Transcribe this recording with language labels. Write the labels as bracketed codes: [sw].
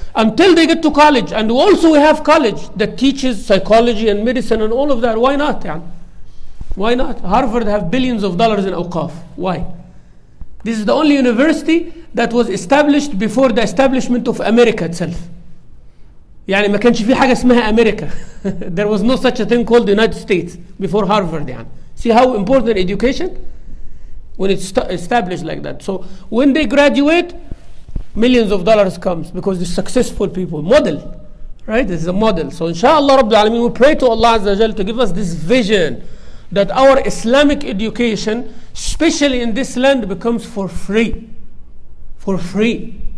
[en] until they get to college. And also we have college that teaches psychology and medicine and all of that. Why not? Why not? Harvard have billions of dollars in awqaf. Why? This is the only university that was established before the establishment of America itself. [ar] يعني ما كانش في حاجة اسمها أمريكا. [en] There was no such a thing called the United States before Harvard. See how important education when it's established like that. So when they graduate, millions of dollars comes because they're successful people. Model, right? This is a model. So inshallah, [ar] رب العالمين, [en] we pray to Allah Azza wa Jal to give us this vision that our Islamic education, especially in this land, becomes for free. For free.